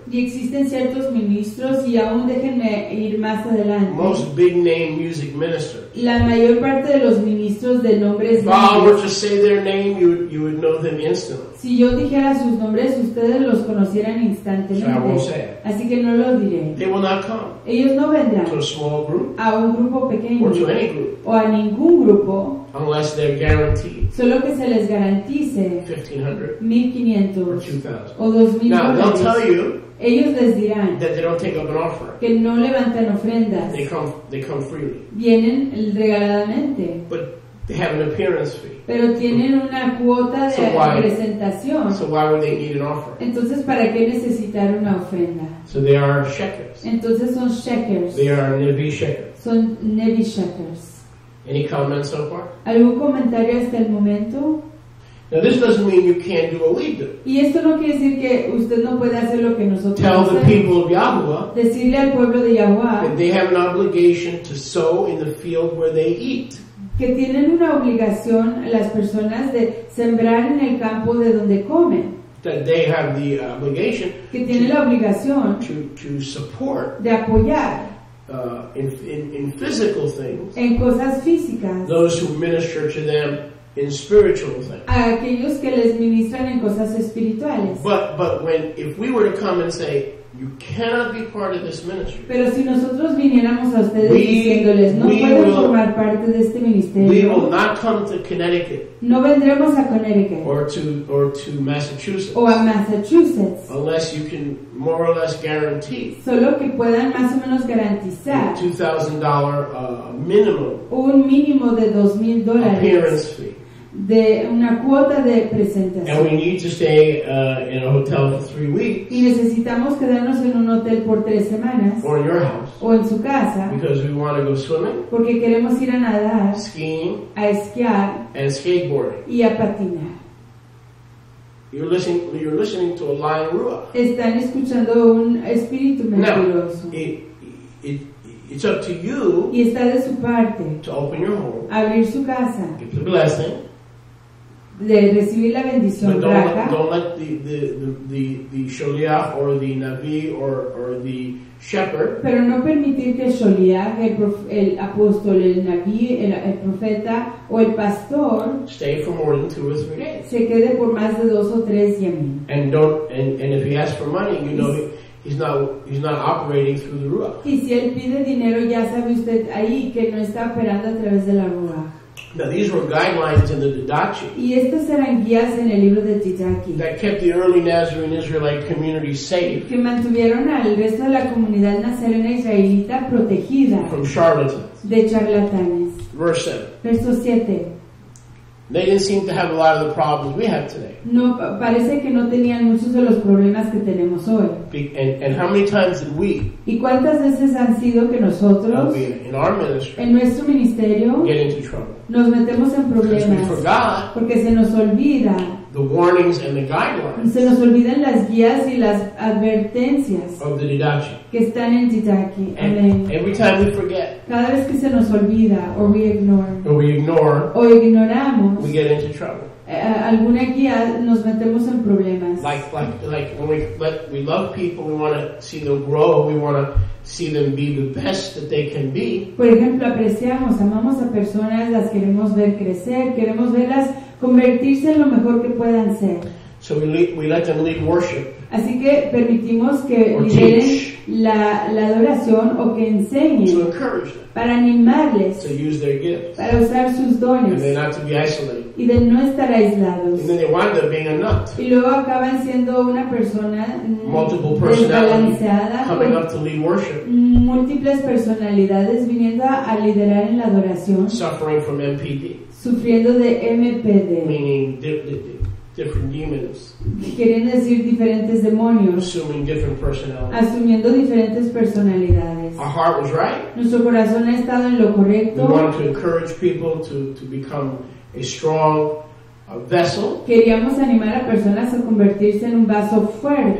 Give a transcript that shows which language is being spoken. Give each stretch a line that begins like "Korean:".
Spanish: Y existen ciertos ministros y aún déjenme ir más adelante.
English: Most big name music ministers.
Spanish: La mayor parte de los ministros de nombres.
English: If I were to say their name, you would know them instantly.
Spanish: Si yo dijera sus nombres, ustedes los conocieran instantáneamente.
English: So I won't say it.
Spanish: Así que no los diré.
English: They will not come.
Spanish: Ellos no vendrán.
English: To a small group.
Spanish: A un grupo pequeño.
English: Or to any group.
Spanish: O a ningún grupo.
English: Unless they're guaranteed.
Spanish: Solo que se les garantice.
English: 1,500 or 2,000. Now they'll tell you that they don't take up an offer.
Spanish: Que no levantan ofrendas.
English: They come freely.
Spanish: Vienen regaladamente.
English: But they have an appearance fee.
Spanish: Pero tienen una cuota de presentación.
English: So why would they need an offer?
Spanish: Entonces, ¿para qué necesitar una ofrenda?
English: So they are shekers.
Spanish: Entonces son shekers.
English: They are nevi shekers.
Spanish: Son nevi shekers.
English: Any comments so far?
Spanish: ¿Algún comentario hasta el momento?
English: Now this doesn't mean you can't do what we do.
Spanish: Y esto no quiere decir que usted no puede hacer lo que nosotros
English: tell
Spanish: hacemos.
English: The people of Yahuwah,
Spanish: decirle al pueblo de Yahuwah
English: that they have an obligation to sow in the field where they eat.
Spanish: Que tienen una obligación las personas de sembrar en el campo de donde comen.
English: That they have the obligation
Spanish: que tienen la obligación
English: to support
Spanish: de apoyar
English: in physical things
Spanish: en cosas físicas
English: those who minister to them in spiritual things.
Spanish: A aquellos que les ministran en cosas espirituales.
English: But when if we were to come and say you cannot be part of this ministry.
Spanish: Pero si nosotros viniéramos a ustedes diciéndoles no pueden formar parte de este ministerio.
English: We will not come to Connecticut.
Spanish: No vendremos a Connecticut.
English: Or to Massachusetts.
Spanish: O a Massachusetts.
English: Unless you can more or less guarantee.
Spanish: Solo que puedan más o menos garantizar.
English: $2,000 minimum.
Spanish: Un mínimo de $2,000.
English: Appearance fee.
Spanish: De una cuota de presentación.
English: And we need to stay in a hotel for 3 weeks.
Spanish: Y necesitamos quedarnos en un hotel por 3 semanas.
English: Or in your house.
Spanish: O en su casa.
English: Because we want to go swimming.
Spanish: Porque queremos ir a nadar.
English: Skiing.
Spanish: A esquiar.
English: And skateboarding.
Spanish: Y a patinar.
English: You're listening to a lying ruach.
Spanish: Están escuchando un espíritu mentiroso.
English: Now, it's up to you.
Spanish: Y está de su parte.
English: To open your home.
Spanish: Abrir su casa.
English: Get the blessing.
Spanish: De recibir la bendición
English: but don't let the Sholiach or the Navi or the Shepherd.
Spanish: Pero no permitir que Sholiach, el apóstol, el Navi, el profeta o el pastor
English: stay for more than 2 or 3 days.
Spanish: Se quede por más de 2 o 3 días.
English: And if he asks for money, you know he's not operating through the Ruach.
Spanish: Y si él pide dinero, ya sabe usted ahí que no está operando a través de la Ruach.
English: Now these were guidelines in the Didache.
Spanish: Y estas eran guías en el libro de Didache.
English: That kept the early Nazarene Israelite community safe.
Spanish: Que mantuvieron al resto de la comunidad nazarena israelita protegida.
English: From charlatans.
Spanish: De charlatanes.
English: Verse 7.
Spanish: Verso 7.
English: They didn't seem to have a lot of the problems we have today.
Spanish: No, parece que no tenían muchos de los problemas que tenemos hoy.
English: And how many times did we?
Spanish: ¿Y cuántas veces han sido que nosotros?
English: In our ministry.
Spanish: En nuestro ministerio.
English: Get into trouble.
Spanish: Nos metemos en problemas.
English: Because we forgot.
Spanish: Porque se nos olvida.
English: The warnings and the guidelines.
Spanish: Se nos olvidan las guías y las advertencias.
English: Of the Didache.
Spanish: Que están en Didache.
English: Every time we forget.
Spanish: Cada vez que se nos olvida,
English: or we ignore. Or we ignore.
Spanish: O ignoramos.
English: We get into trouble.
Spanish: Alguna guía nos metemos en problemas.
English: Like when we love people, we want to see them grow, we want to see them be the best that they can be.
Spanish: Por ejemplo, apreciamos, amamos a personas, las queremos ver crecer, queremos verlas convertirse en lo mejor que puedan ser.
English: So we let them lead worship.
Spanish: Así que permitimos que lideren la adoración o que enseñen.
English: To encourage them.
Spanish: Para animarles.
English: To use their gifts.
Spanish: Para usar sus dones.
English: And they not to be isolated.
Spanish: Y de no estar aislados.
English: And then they wind up being a nut.
Spanish: Y luego acaban siendo una persona
English: multiple personalities coming up to lead worship.
Spanish: Múltiples personalidades viniendo a liderar en la adoración.
English: Suffering from MPD.
Spanish: Sufriendo de MPD.
English: Meaning different demons.
Spanish: Queriendo decir diferentes demonios.
English: Assuming different personalities.
Spanish: Asumiendo diferentes personalidades.
English: Our heart was right.
Spanish: Nuestro corazón ha estado en lo correcto.
English: We wanted to encourage people to become a strong vessel.
Spanish: Queríamos animar a personas a convertirse en un vaso fuerte.